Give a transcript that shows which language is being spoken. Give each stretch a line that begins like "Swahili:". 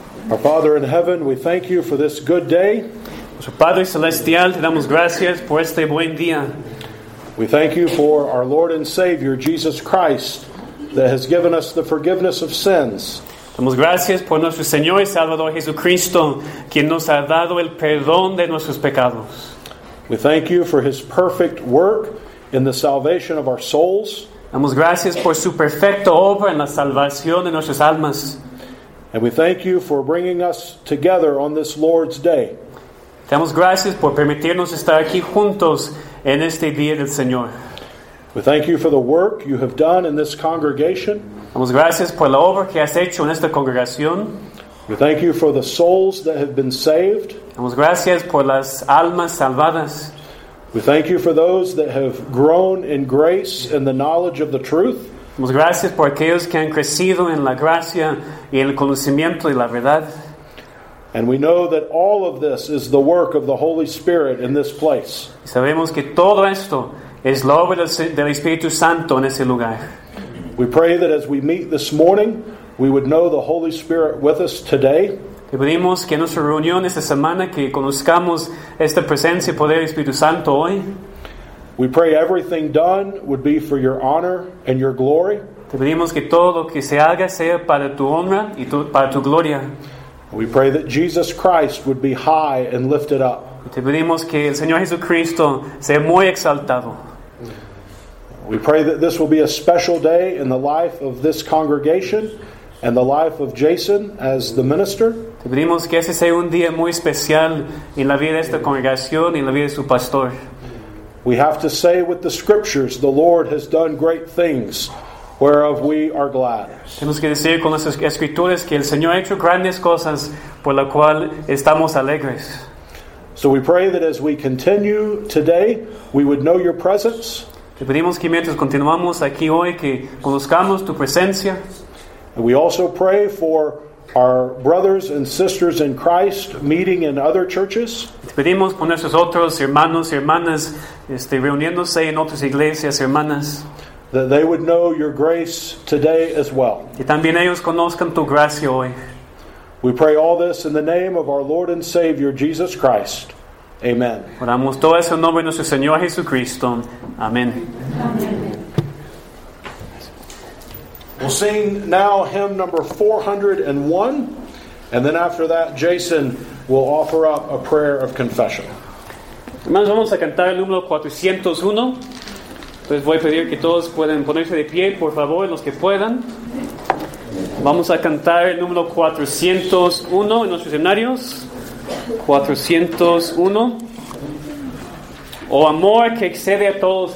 English: Our Father in heaven, we thank you for this good day.
Spanish: Nuestro Padre Celestial, te damos gracias por este buen día.
English: We thank you for our Lord and Savior, Jesus Christ, that has given us the forgiveness of sins.
Spanish: Damos gracias por nuestro Señor y Salvador Jesucristo, quien nos ha dado el perdón de nuestros pecados.
English: We thank you for his perfect work in the salvation of our souls.
Spanish: Damos gracias por su perfecta obra en la salvación de nuestras almas.
English: And we thank you for bringing us together on this Lord's Day.
Spanish: Damos gracias por permitirnos estar aquí juntos en este día del Señor.
English: We thank you for the work you have done in this congregation.
Spanish: Damos gracias por la obra que has hecho en esta congregación.
English: We thank you for the souls that have been saved.
Spanish: Damos gracias por las almas salvadas.
English: We thank you for those that have grown in grace and the knowledge of the truth.
Spanish: Damos gracias por aquellos que han crecido en la gracia y el conocimiento y la verdad.
English: And we know that all of this is the work of the Holy Spirit in this place.
Spanish: Sabemos que todo esto es la obra del Espíritu Santo en ese lugar.
English: We pray that as we meet this morning, we would know the Holy Spirit with us today.
Spanish: Te pedimos que en nuestra reunión esta semana que conozcamos esta presencia y poder del Espíritu Santo hoy.
English: We pray everything done would be for your honor and your glory.
Spanish: Te pedimos que todo lo que se haga sea para tu honra y para tu gloria.
English: We pray that Jesus Christ would be high and lifted up.
Spanish: Te pedimos que el Señor Jesucristo sea muy exaltado.
English: We pray that this will be a special day in the life of this congregation and the life of Jason as the minister.
Spanish: Te pedimos que ese sea un día muy especial en la vida de esta congregación y en la vida de su pastor.
English: We have to say with the scriptures, the Lord has done great things, whereof we are glad.
Spanish: Tenemos que decir con las escrituras que el Señor ha hecho grandes cosas por la cual estamos alegres.
English: So we pray that as we continue today, we would know your presence.
Spanish: Te pedimos que mientras continuamos aquí hoy que conozcamos tu presencia.
English: And we also pray for our brothers and sisters in Christ meeting in other churches.
Spanish: Te pedimos por nuestros otros hermanos y hermanas reuniéndose en otras iglesias hermanas.
English: That they would know your grace today as well.
Spanish: Que también ellos conozcan tu gracia hoy.
English: We pray all this in the name of our Lord and Savior, Jesus Christ. Amen.
Spanish: Oramos todo eso en nombre de nuestro Señor Jesucristo. Amén.
English: Amen. We'll sing now hymn number 401. And then after that, Jason will offer up a prayer of confession.
Spanish: Hermanos, vamos a cantar el número 401. Entonces voy a pedir que todos puedan ponerse de pie, por favor, los que puedan. Vamos a cantar el número 401 en nuestros escenarios. 401. Oh, amor que excede a todos.